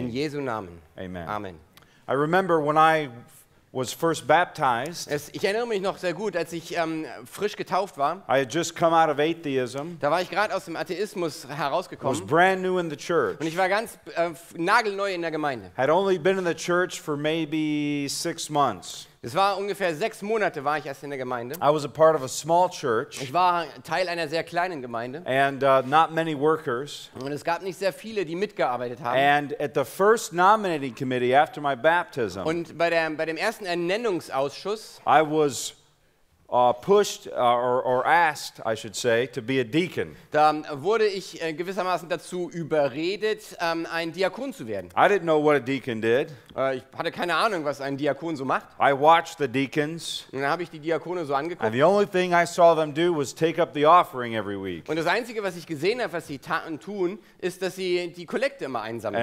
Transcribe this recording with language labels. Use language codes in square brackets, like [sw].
[de] In Jesu Namen. Amen. Amen. [en] I remember when I was first baptized. [de] Ich erinnere mich noch sehr gut, als ich frisch getauft war. [en] I had just come out of atheism. [de] Da war ich gerade aus dem Atheismus herausgekommen. [en] I was brand new in the church. [de] Und ich war ganz nagelneu in der Gemeinde. [en] Had only been in the church for maybe 6 months. [de] Es war ungefähr 6 Monate war ich erst in der Gemeinde. [en] I was a part of a small church. [de] Ich war Teil einer sehr kleinen Gemeinde. [en] And not many workers. [de] Und es gab nicht sehr viele, die mitgearbeitet haben. [en] And at the first nominating committee after my baptism. [de] Und bei dem ersten Ernennungsausschuss. [en] I was pushed or asked, I should say, to be a deacon. [de] Da wurde ich gewissermaßen dazu überredet, ein Diakon zu werden. [en] I didn't know what a deacon did. [de] Ich hatte keine Ahnung, was ein Diakon so macht. [en] I watched the deacons. [de] Und dann habe ich die Diakone so angeguckt. [en] And the only thing I saw them do was take up the offering every week. [de] Und das Einzige, was ich gesehen habe, was sie taten tun, ist, dass sie die Kollekte immer einsammeln.